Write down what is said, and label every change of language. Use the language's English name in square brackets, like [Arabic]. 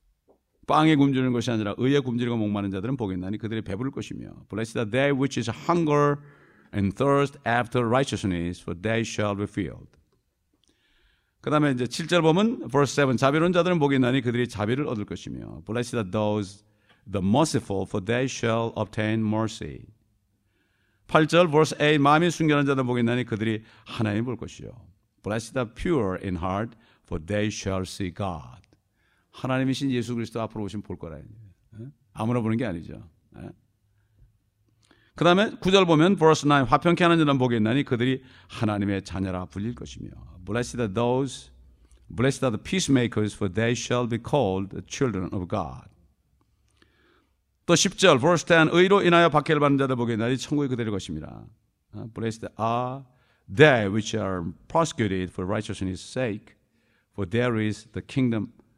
[Korean] 응? 빵에 굶주리는 것이 아니라 의에 굶주리고 목마른 자들은 복이 있나니 그들이 배부를 것이며 [English] blessed are they which is hunger and thirst after righteousness, for they shall be filled. [Korean] 그 다음에 이제 7절 보면, [English] verse 7, [Korean] 자비로운 자들은 복이 있나니 그들이 자비를 얻을 것이며, [English] blessed are those the merciful, for they shall obtain mercy. [Korean] 8절, [English] verse 8, [Korean] 마음이 순결한 자들은 복이 있나니 그들이 하나님을 볼 것이요. [English] blessed are pure in heart, for they shall see God. [Korean] 하나님이신 예수 그리스도 앞으로 오시면 볼 거라. 아무나 보는 게 아니죠. 그 다음에 9절 보면 [English] verse 9 [Korean] 화평케 하는 자는 복이 있나니 그들이 하나님의 자녀라 불릴 것이며 [English] blessed are the peacemakers for they shall be called the children of God. [Korean] 또 10절 [English] verse 10 [Korean] 의로 인하여 박해를 받는 자들 보게 되나니 천국이 그들의 것입니다. [English] Blessed are they which are persecuted for righteousness' sake, for there is the kingdom.